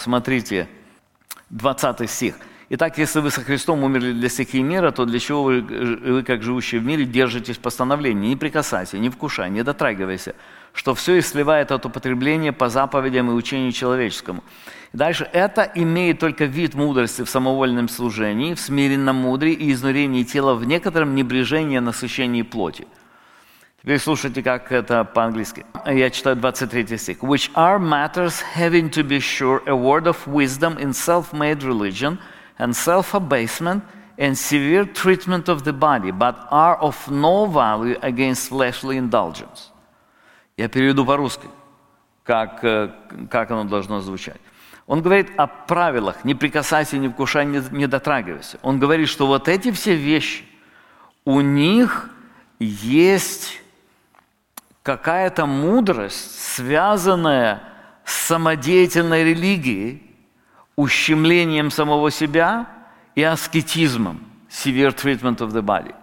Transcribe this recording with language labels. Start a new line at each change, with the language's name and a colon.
Russian: Смотрите, 20 стих. «Итак, если вы со Христом умерли для стихии мира, то для чего вы, как живущие в мире, держитесь постановления? Не прикасайся, не вкушай, не дотрагивайся, что все и сливает от употребления по заповедям и учению человеческому». Дальше. «Это имеет только вид мудрости в самовольном служении, в смиренном мудре и изнурении тела, в некотором небрежении насыщении плоти». Теперь слушайте, как это по-английски. Я читаю 23 стих.
English: «Which are matters having to be sure a word of wisdom in self-made religion and self-abasement and severe treatment of the body, but are of no value against fleshly indulgence».
Russian: Я переведу по-русски, как оно должно звучать. Он говорит о правилах: не прикасайся, не вкушай, не дотрагивайся. Он говорит, что вот эти все вещи, у них есть какая-то мудрость, связанная с самодеятельной религией, ущемлением самого себя и аскетизмом,
English: severe treatment of the body.